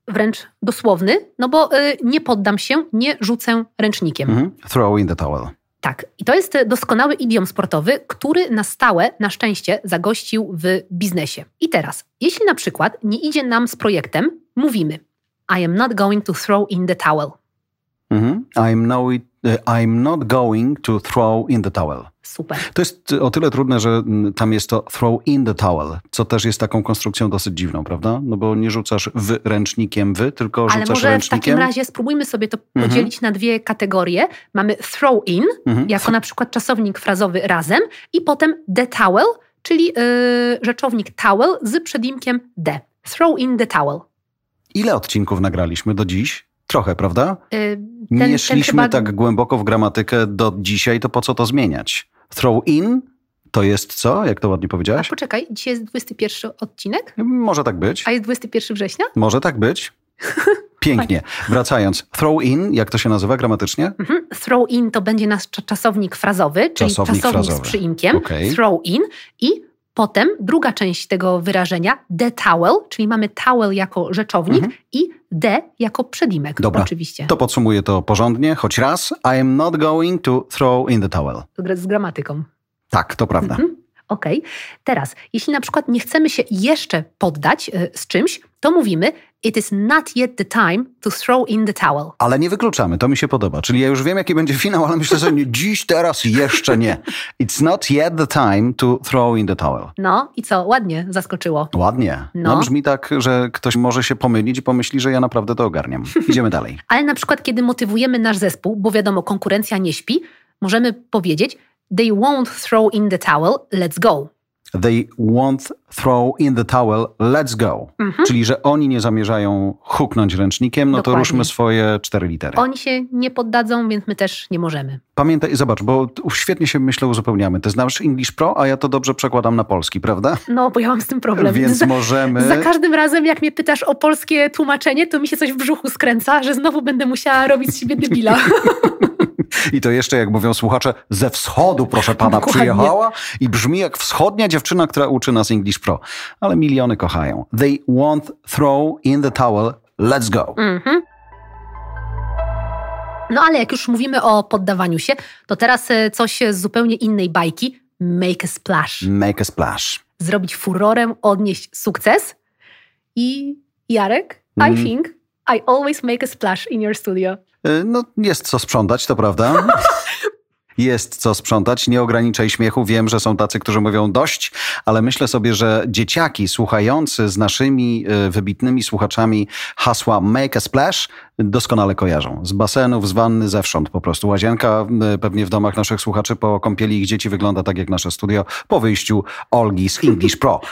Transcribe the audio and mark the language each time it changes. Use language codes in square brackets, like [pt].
[pl] Wręcz dosłowny, no bo nie poddam się, nie rzucę ręcznikiem. Mm-hmm. [en] Throw in the towel. [pl] Tak. I to jest doskonały idiom sportowy, który na stałe, na szczęście, zagościł w biznesie. I teraz, jeśli na przykład nie idzie nam z projektem, mówimy [en] I am not going to throw in the towel. Mm-hmm. I'm not going to throw in the towel. [pl] Super. To jest o tyle trudne, że tam jest [en] to throw in the towel, [pl] co też jest taką konstrukcją dosyć dziwną, prawda? No bo nie rzucasz w ręcznikiem w, tylko ale rzucasz ręcznikiem. Ale może w takim razie spróbujmy sobie to podzielić na dwie kategorie. Mamy throw in, jako na przykład czasownik frazowy razem i potem the towel, czyli rzeczownik towel z przedimkiem the. [en] Throw in the towel. [pl] Ile odcinków nagraliśmy do dziś? Trochę, prawda? Nie szliśmy ten chyba tak głęboko w gramatykę do dzisiaj, to po co to zmieniać? Throw in to jest co? Jak to ładnie powiedziałaś? A poczekaj, dzisiaj jest 21 odcinek? Może tak być. A jest 21 września? Może tak być. Pięknie. Wracając. Throw in, jak to się nazywa gramatycznie? Mhm. Throw in to będzie nasz czasownik frazowy, czyli czasownik frazowy z przyimkiem. [en] Okay. Throw in i [pl] Potem druga część tego wyrażenia, the towel, czyli mamy towel jako rzeczownik i the jako przedimek. Dobra. Oczywiście. To podsumuję to porządnie, choć raz. [en] I am not going to throw in the towel. [pl] Z gramatyką. Tak, to prawda. Okej. Okay. Teraz, jeśli na przykład nie chcemy się jeszcze poddać z czymś, to mówimy [en] it is not yet the time to throw in the towel. [pl] Ale nie wykluczamy, to mi się podoba. Czyli ja już wiem, jaki będzie finał, ale myślę, że nie, dziś, teraz jeszcze nie. [en] It's not yet the time to throw in the towel. [pl] No i co? Ładnie zaskoczyło. Ładnie. No. No brzmi tak, że ktoś może się pomylić i pomyśli, że ja naprawdę to ogarniam. Idziemy dalej. Ale na przykład, kiedy motywujemy nasz zespół, bo wiadomo, konkurencja nie śpi, możemy powiedzieć [en] they won't throw in the towel, let's go. They won't throw in the towel, let's go. Mhm. [pl] Czyli, że oni nie zamierzają huknąć ręcznikiem, no dokładnie. To ruszmy swoje cztery litery. Oni się nie poddadzą, więc my też nie możemy. Pamiętaj, zobacz, bo świetnie się, myślę, uzupełniamy. Ty znasz English Pro, a ja to dobrze przekładam na polski, prawda? No, bo ja mam z tym problem. Więc możemy... Za każdym razem, jak mnie pytasz o polskie tłumaczenie, to mi się coś w brzuchu skręca, że znowu będę musiała robić z siebie debila. I to jeszcze, jak mówią słuchacze, ze wschodu, proszę pana, dokładnie. Przyjechała i brzmi jak wschodnia dziewczyna, która uczy nas English Pro. Ale miliony kochają. [en] They won't throw in the towel. Let's go. Mm-hmm. [pl] No ale jak już mówimy o poddawaniu się, to teraz coś z zupełnie innej bajki. [en] Make a splash. Make a splash. [pl] Zrobić furorem, odnieść sukces. [en] I Jarek, I think I always make a splash in your studio. [pl] No, jest co sprzątać, to prawda. Jest co sprzątać, nie ograniczaj śmiechu. Wiem, że są tacy, którzy mówią dość, ale myślę sobie, że dzieciaki słuchający z naszymi wybitnymi słuchaczami hasła Make a Splash doskonale kojarzą. Z basenów, z wanny, zewsząd po prostu. Łazienka pewnie w domach naszych słuchaczy po kąpieli ich dzieci wygląda tak jak nasze studio po wyjściu Olgi z English Pro.